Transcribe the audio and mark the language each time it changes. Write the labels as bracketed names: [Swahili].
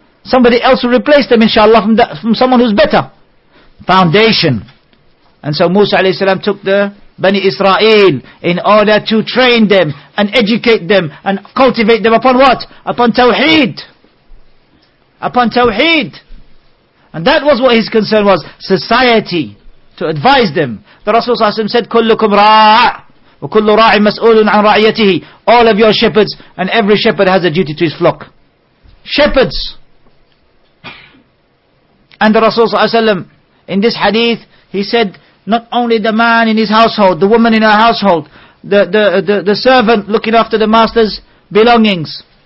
[English] Somebody else will replace them, inshallah, from someone who's better. Foundation. And so Musa alayhi salam took the Bani Israel in order to train them and educate them and cultivate them upon what? Upon Tawheed. Upon Tawheed. And that was what his concern was. Society. To advise them. The Rasulullah SAW said, [Arabic] كُلُّكُمْ رَاعٍ وَكُلُّ رَاعٍ مَسْؤُولٌ عَنْ رَعِيَتِهِ. [English] All of your shepherds, and every shepherd has a duty to his flock. Shepherds. And the Rasulullah SAW, in this hadith, he said, not only the man in his household, the woman in her household, the servant looking after the master's belongings.